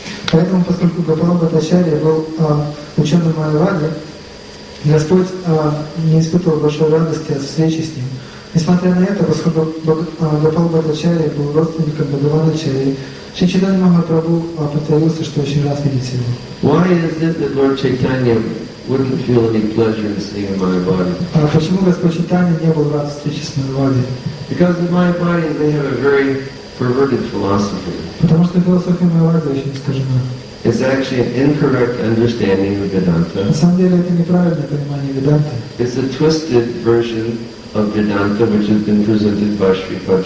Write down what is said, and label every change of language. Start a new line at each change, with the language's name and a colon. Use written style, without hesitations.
Russian: Поэтому, поскольку Гопал Бхаттачарья был ученым Майявади, Господь не испытывал большой радости от встречи с ним. Несмотря на это, поскольку Гопала Бхаттачарья был родственником Бхагавана Ачарьи, Шри Чайтанья Махапрабху повторился, что очень рад видеть его.
English: Why is it that Lord Chaitanya wouldn't feel any pleasure in seeing Mayavadi?
Russian: Почему Господь Чайтанья не был рад встрече с Майявади?
English: Because the Mayavadi, they have a very perverted philosophy.
Russian: Потому что философия Майявади очень искажена.
English: It's actually an incorrect understanding of Vedanta.
Russian: На самом деле это неправильное понимание Веданты.
English: It's a twisted version of Vedanta, which has been presented by Sri